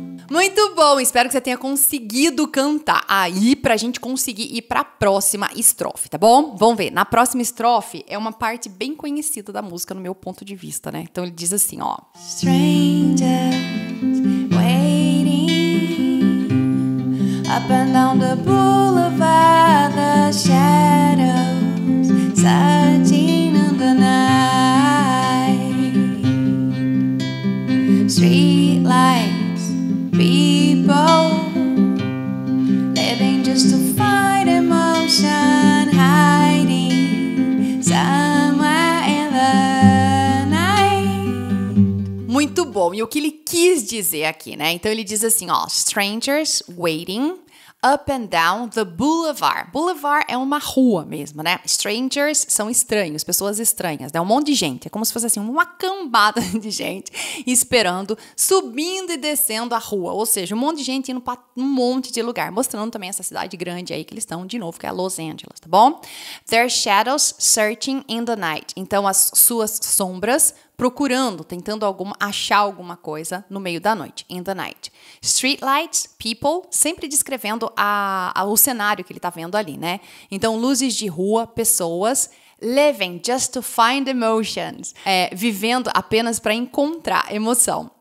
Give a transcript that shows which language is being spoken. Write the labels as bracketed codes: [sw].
[pt] Muito bom, espero que você tenha conseguido cantar aí pra gente conseguir ir pra próxima estrofe, tá bom? Vamos ver, na próxima estrofe é uma parte bem conhecida da música no meu ponto de vista, né? Então ele diz assim, ó. [en] Strangers waiting up and down the boulevard, the shadows searching in the night. Street lights. People living just to fight emotion, hiding somewhere in the night. [pt] Muito bom. E o que ele quis dizer aqui, né? Então ele diz assim, ó, [en] strangers waiting up and down the boulevard. [pt] Boulevard é uma rua mesmo, né? Strangers são estranhos, pessoas estranhas, né? Um monte de gente. É como se fosse assim, uma cambada de gente esperando, subindo e descendo a rua. Ou seja, um monte de gente indo pra um monte de lugar. Mostrando também essa cidade grande aí que eles estão de novo, que é Los Angeles, tá bom? [en] Their shadows searching in the night. [pt] Então, as suas sombras procurando, tentando achar alguma coisa no meio da noite, [en] in the night. Streetlights, people, [pt] sempre descrevendo o cenário que ele tá vendo ali, né? Então, luzes de rua, pessoas, [en] living just to find emotions, [pt] vivendo apenas para encontrar emoção.